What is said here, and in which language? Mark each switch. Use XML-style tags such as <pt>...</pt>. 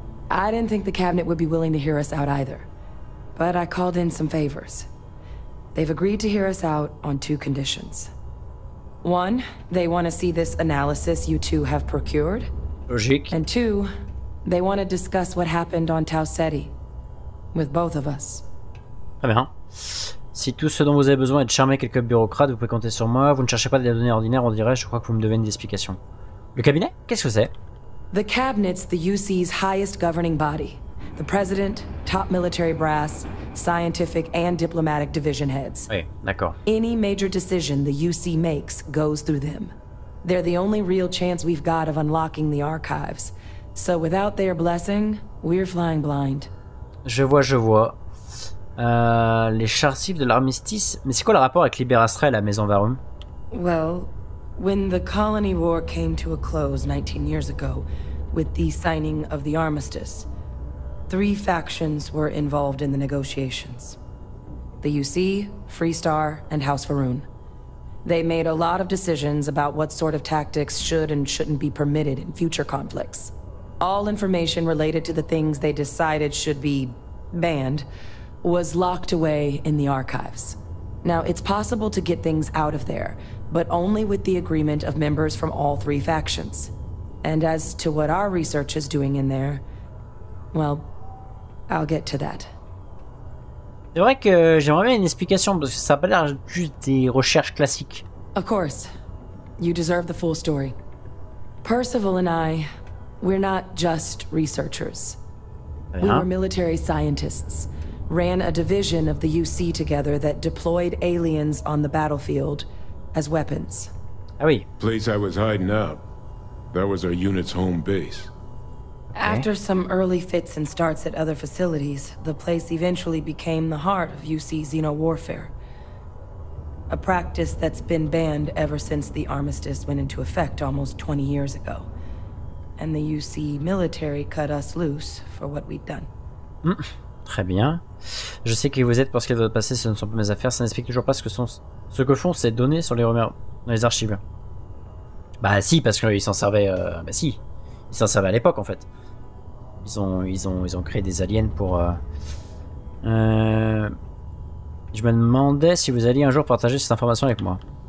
<en>I didn't think the Cabinet would be willing to hear us out either. But I called in some favors. They've agreed to hear us out on two conditions. One, they want to see this analysis you two have procured.</en> <fr>Logique.</fr> <en>And two, they want to discuss what happened on Tau Ceti. With both of us.</en> <fr>Très bien. Si tout ce dont vous avez besoin est de charmer quelques bureaucrates, vous pouvez compter sur moi. Vous ne cherchez pas des données ordinaires, on dirait, je crois que vous me devez une explication. Le cabinet? Qu'est-ce que c'est?</fr> <en>The cabinet's the UC's highest governing body. The president, top military brass, scientific and diplomatic division heads.</en> <fr>Oui, d'accord.</fr> <en>Any major decision the UC makes goes through them. They're the only real chance we've got of unlocking the archives. So without their blessing, we're flying blind.</en> <fr>Je vois, je vois. Les charcifs de l'armistice. Mais c'est quoi le rapport avec Liberastra et la maison Varum?</fr> <en>Well, when the colony war came to a close 19 years ago, with the signing of the armistice, three factions were involved in the negotiations. The UC, Freestar, and House Varun. They made a lot of decisions about what sort of tactics should and shouldn't be permitted in future conflicts. All information related to the things they decided should be banned was locked away in the archives. Now, it's possible to get things out of there, but only with the agreement of members from all three factions. And as to what our research is doing in there, well, I'll get to that.</en> <fr>C'est vrai que j'aimerais bien une explication, parce que ça n'a pas l'air juste des recherches classiques.</fr> <en>Of course. You deserve the full story. Percival and I, we're not just researchers. We were military scientists. Ran a division of the UC together that deployed aliens on the battlefield as weapons.</en> <fr>Ah oui.</fr> <en>Place I was hiding out. That was our unit's home base. After some early fits and starts at other facilities, the place eventually became the heart of UC Xeno warfare. A practice that's been banned ever since the armistice went into effect almost 20 years ago. And the UC military cut us loose for what we'd done.</en> <fr>Très bien. Je sais qui vous êtes parce que votre passé, ce ne sont pas mes affaires. Ça n'explique toujours pas ce que font ces données sur les remères dans les archives. Bah si, parce qu'ils s'en servaient. Bah si. Ils s'en servaient à l'époque en fait. Ils ont créé des aliens pour. Je me demandais si vous alliez un jour partager cette information avec moi.</fr>